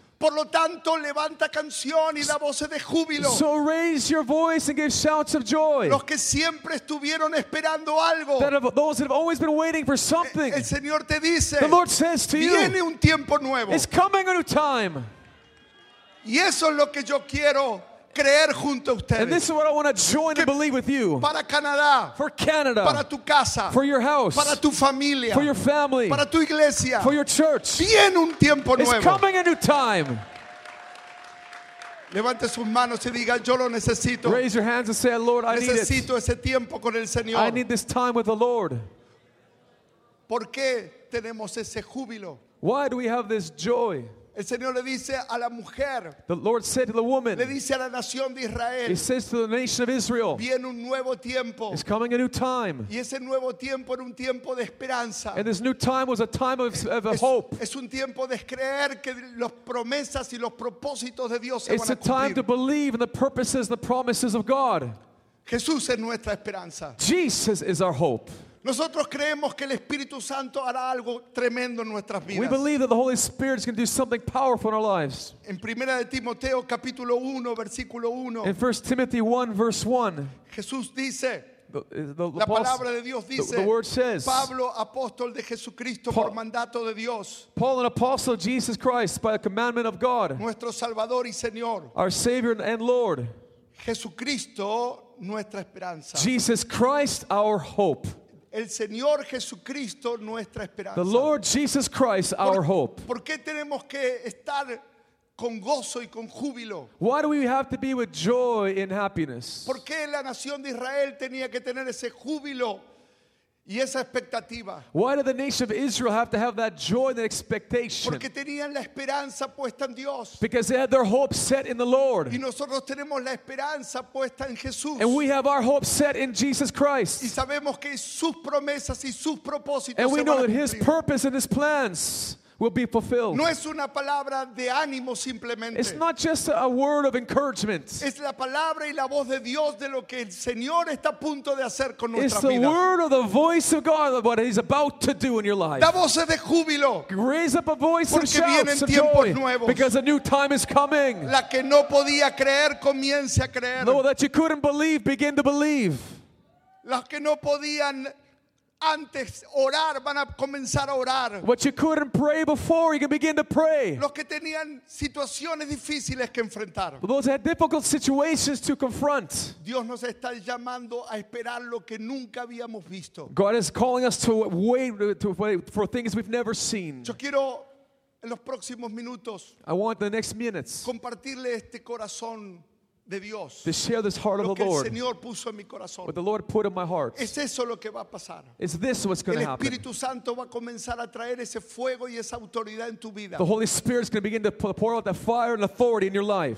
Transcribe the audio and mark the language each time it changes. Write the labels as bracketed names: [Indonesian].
[Spanish] Por lo tanto, levanta canción y da voces de júbilo. [English] So raise your voice and give shouts of joy. [Spanish] Los que siempre estuvieron esperando algo. [English] That of those that have always been waiting for something. [Spanish] El Señor te dice. [English] The Lord says to you. [Spanish] Viene un tiempo nuevo. [English] It's coming a new time. [Spanish] Y eso es lo que yo quiero. Creer junto a ustedes. [English] And this is what I want to join and believe with you. [Spanish] Para Canadá, [English] for Canada. [Spanish] Para tu casa, [English] for your house. [Spanish] Para tu familia, [English] for your family. [Spanish] Para tu iglesia, [English] for your church. [Spanish] Viene un tiempo nuevo. [English] It's coming a new time. [Spanish] Levante sus manos y diga, yo lo necesito. [English] Raise your hands and say, Lord, I [Spanish] necesito [English] need it. [Spanish] Ese tiempo con el Señor. [English] I need this time with the Lord. [Spanish] ¿Por qué tenemos ese júbilo? [English] Why do we have this joy? [Spanish] El Señor le dice a la mujer. [English] The Lord said to the woman. [Spanish] Le dice a la nación de Israel. [English] He says to the nation of Israel. [Spanish] Viene un nuevo tiempo. [English] It's coming a new time. [Spanish] Y ese nuevo tiempo era un tiempo de esperanza. [English] And this new time was a time of hope. [Spanish] Es un tiempo de creer que las promesas y los propósitos de Dios se van a cumplir. [English] It's a time to believe in the purposes and the promises of God. [Spanish] Jesús es nuestra esperanza. [English] Jesus is our hope. [Spanish] Nosotros creemos que el Espíritu Santo hará algo tremendo en nuestras vidas. [English] We believe that the Holy Spirit is going to do something powerful in our lives. [Spanish] En 1 Timoteo capítulo 1 versículo 1. [English] In 1 Timothy 1 verse 1. [Spanish] Jesús dice. La palabra de Dios dice. [English] The word says. [Spanish] Pablo, apóstol de Jesucristo por mandato de Dios. [English] Paul, an apostle of Jesus Christ by a commandment of God. [Spanish] Nuestro Salvador y Señor. [English] Our Savior and Lord. [Spanish] Jesucristo, nuestra esperanza. [English] Jesus Christ, our hope. [Spanish] El Señor Jesucristo, nuestra esperanza. [English] The Lord Jesus Christ, our hope. [Spanish] ¿Por qué tenemos que estar con gozo y con júbilo? [English] Why do we have to be with joy and happiness? [Spanish] ¿Por qué la nación de Israel tenía que tener ese júbilo y esa expectativa? [English] Why did the nation of Israel have to have that joy and that expectation? [Spanish] Porque tenían la esperanza puesta en Dios. [English] Because they had their hope set in the Lord. [Spanish] Y nosotros tenemos la esperanza puesta en Jesús. [English] And we have our hope set in Jesus Christ. [Spanish] Y sabemos que sus promesas y sus propósitos. [English] And we know that His purpose and His plans will be fulfilled. [Spanish] No es una palabra de ánimo simplemente. [English] It's not just a word of encouragement. [Spanish] Es la palabra y la voz de Dios de lo que el Señor está a punto de hacer con nuestra vida. [English] It's the word or the voice of God of what He's about to do in your life. [Spanish] Da voces de júbilo. [English] Raise up a voice of shouts. [Spanish] Porque vienen tiempos nuevos. [English] Because a new time is coming. [Spanish] La que no podía creer comience a creer. [English] No, that you couldn't believe, begin to believe. [Spanish] Las que no podían antes orar van a comenzar a orar. [English] What you couldn't pray before, you can begin to pray. [Spanish] Los que tenían situaciones difíciles que enfrentar. [English] Those had difficult situations to confront. [Spanish] Dios nos está llamando a esperar lo que nunca habíamos visto. [English] God is calling us to wait for things we've never seen. [Spanish] Yo quiero en los próximos minutos. [English] I want the next minutes. [Spanish] Compartirle este corazón. De Dios, [English] to share this heart of the Lord, [Spanish] Señor puso en mi corazón, [English] what the Lord put in my heart. [Spanish] Es eso lo que va a pasar. [English] Is this what's going to happen? [Spanish] El Espíritu Santo va a comenzar a traer ese fuego y esa autoridad en tu vida. [English] The Holy Spirit is going to begin to pour out that fire and authority in your life.